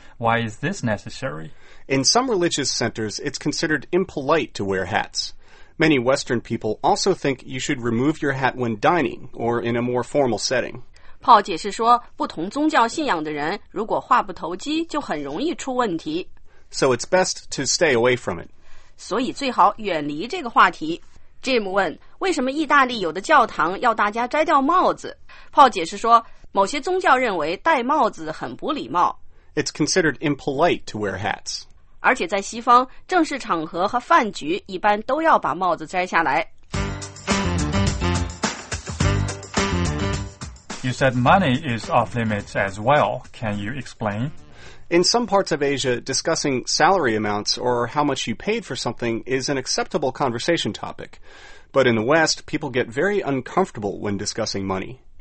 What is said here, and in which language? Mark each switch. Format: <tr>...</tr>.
<en>Why is this necessary? In some religious centers, it's considered impolite to wear hats. Many Western people also think you should remove your hat when dining or in a more formal setting.</en> <zh>Paul 解释说，不同宗教信仰的人如果话不投机，就很容易出问题。</zh> <en>So it's best to stay away from it.</en> <zh>所以最好远离这个话题。Jim 问，为什么意大利有的教堂要大家摘掉帽子？ Paul 解释说，某些宗教认为戴帽子很不礼貌。</zh> <en>It's considered impolite to wear hats.</en> <zh>而且在西方，正式场合和饭局一般都要把帽子摘下来。</zh> <en>You said money is off limits as well. Can you explain? In some parts of Asia, discussing salary amounts or how much you paid for something is an acceptable conversation topic. But in the West, people get very uncomfortable when discussing money.</en>